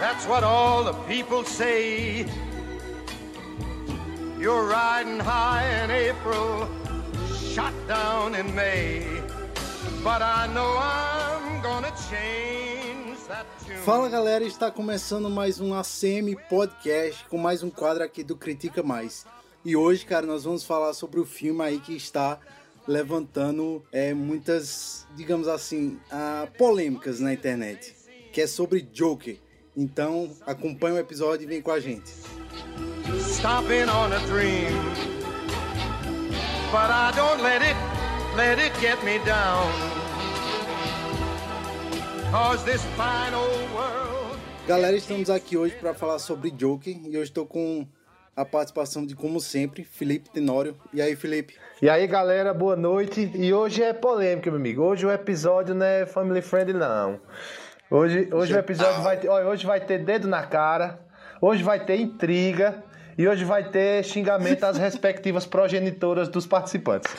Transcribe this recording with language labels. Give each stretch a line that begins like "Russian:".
English: That's what all the people say. You're riding high in April, shot down in May. But I know I'm gonna change that tune.
Portuguese: Fala galera, está começando mais um ACM Podcast com mais um quadro aqui do Critica Mais. E hoje, cara, nós vamos falar sobre o filme aí que está levantando muitas, digamos assim, polêmicas na internet, que é sobre Joker. Então, acompanha o episódio e vem com a gente.
English: Stomping on a dream, but I don't let it get me down, cause this fine old world...
Portuguese: Galera, estamos aqui hoje para falar sobre Joker e hoje estou com a participação de, como sempre, Felipe Tenório. E aí, Felipe? E aí, galera, boa noite. E hoje é polêmica, meu amigo. Hoje o episódio não é family friendly, não. Hoje o episódio vai ter... Olha, hoje vai ter dedo na cara, hoje vai ter intriga e hoje vai ter xingamento às respectivas progenitoras dos participantes.